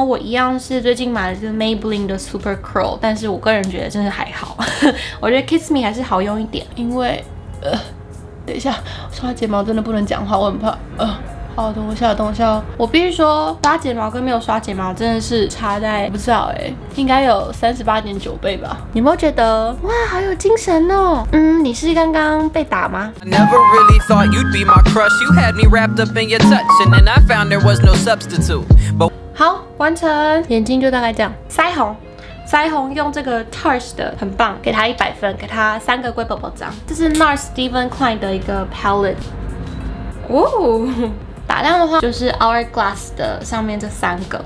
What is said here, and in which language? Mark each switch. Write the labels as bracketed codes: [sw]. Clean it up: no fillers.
[zh] 然后我一样是最近买的是 Maybelline 的 Super Curl， 但是我个人觉得真的还好，我觉得 Kiss Me 还是好用一点，因为等一下，我刷睫毛真的不能讲话，我很怕。好，等我一下，等我一下。我必须说，刷睫毛跟没有刷睫毛真的是差在，我不知道哎，应该有38.9倍吧？你有没有觉得，哇，好有精神哦？嗯，你是刚刚被打吗？ [en] I never really thought you'd be my crush. You had me wrapped up in your touch, and then I found there was no substitute. But [zh] 好，完成，眼睛就大概这样，腮红。腮红用这个 Tarte 的很棒，给他100分，给他3个龟宝宝章。这是 NARS Steven Klein 的一个 palette。哦，打亮的话就是 Hourglass 的上面这3个。